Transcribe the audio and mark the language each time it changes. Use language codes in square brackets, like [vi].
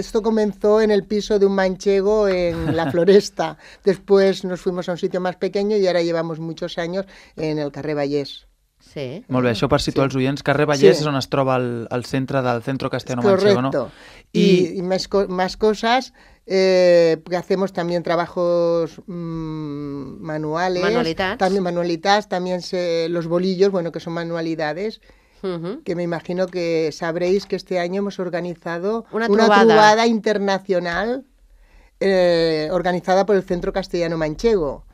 [es] Esto comenzó en el piso de un manchego en la Floresta. Después nos fuimos a un sitio más pequeño y ahora llevamos muchos años en el carrer Vallès. Sí. [ca] Molt bé, això per situar sí. Els oients. Carrer Vallès sí. És on es troba el centre del Centro Castellano Manchego, [es] correcto. [ca] No? Correcto. I més coses... [es] hacemos también trabajos manuales, manualidades, también los bolillos, bueno, que son manualidades, uh-huh. Que me imagino que sabréis que este año hemos organizado [ca] una trubada [es] internacional organizada por el Centro Castellano Manchego.